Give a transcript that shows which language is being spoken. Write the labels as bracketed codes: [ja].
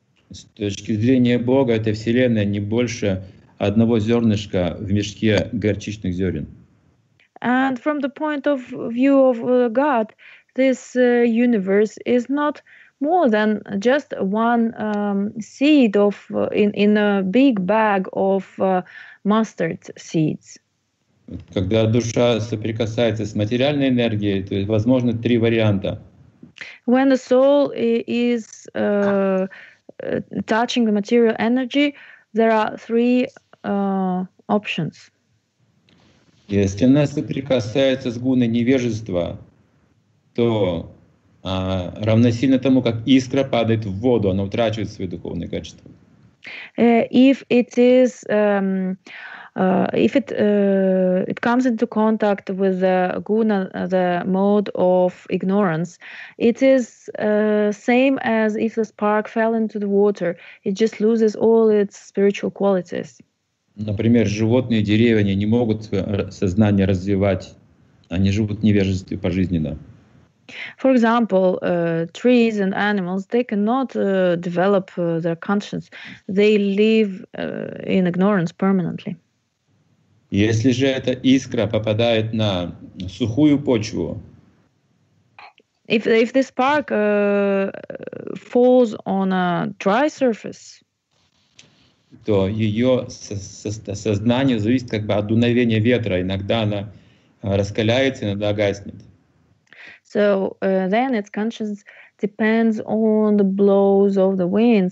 [ru] С точки зрения Бога, эта Вселенная не больше одного зернышка в мешке горчичных зерен. [en] And from the point of view of God, this universe is not more than just one seed of in a big bag of mustard seeds. [ru] Когда душа соприкасается с материальной энергией, то есть возможно три варианта. [en] When the soul is touching the material energy, there are three options. [ru] Если она соприкасается с гуной невежества, то равносильно тому, как искра падает в воду, она утрачивает свои духовные качества. [en] If it is if it comes into contact with the guna, the mode of ignorance, it is same as if the spark fell into the water. It just loses all its spiritual qualities. [ru] Например, животные, деревья, они не могут сознание развивать, они живут в невежестве пожизненно. [en] For example, trees and animals, they cannot develop their conscience. They live in ignorance permanently. [ru] Если же эта искра попадает на сухую почву, [en] if this spark falls on a dry surface, [ru] то ее сознание зависит как бы от дуновения ветра. Иногда она раскаляется, иногда гаснет. [en] So then its consciousness depends on the blows of the wind.